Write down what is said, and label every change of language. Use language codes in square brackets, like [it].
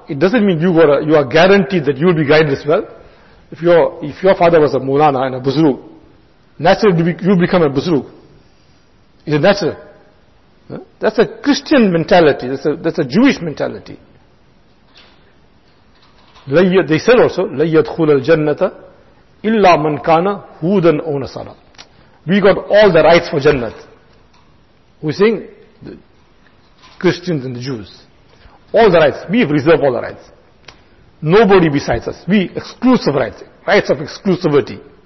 [en] It doesn't mean you are guaranteed that you will be guided as well. If your father was a Mulana and a Buzrug, naturally you will become a Buzrug. Is it natural? That's a Christian mentality. That's a Jewish mentality. They said also, [ar] لَا يَدْخُلَ الْجَنَّةَ إِلَّا مَنْ كَانَ هُودًا أَوْ نَصَارَى. [en] We got all the rights for Jannat. We're saying the Christians and the Jews. All the rights. We have reserved all the rights. Nobody besides us. We exclusive rights. Rights of exclusivity.